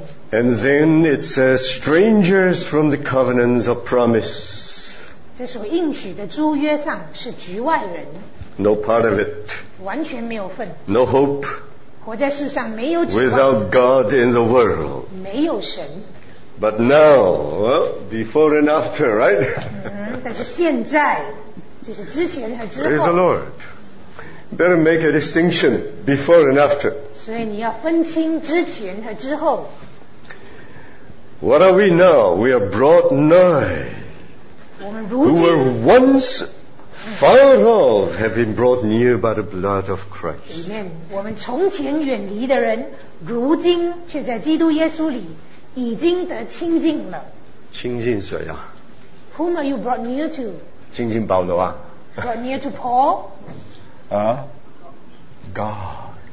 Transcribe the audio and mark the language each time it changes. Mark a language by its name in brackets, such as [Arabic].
[English] And then it says, strangers from the covenants of promise. [Chinese] 这所应许的租约上是局外人。 [English] No part of it. [Chinese] 完全没有份。 [English] No hope. [Chinese] 活在世上没有指望。 [English] Without God in the world. [Chinese] 没有神。 [English] But now, well, before and after, right? [Chinese] 但是现在，就是之前和之后。 [English] Praise the Lord. Better make a distinction before and after. [Chinese] 所以你要分清之前和之后。 [English] What are we now? We are brought nigh. [Chinese] 我们如今。 [English] Who were once far off have been brought near by the blood of Christ. [Chinese] 我们从前远离的人，如今却在基督耶稣里已经得亲近了。亲近谁啊？ [English] Whom are you brought near to? [Chinese] 亲近保罗啊。 [English] Brought near to Paul? God.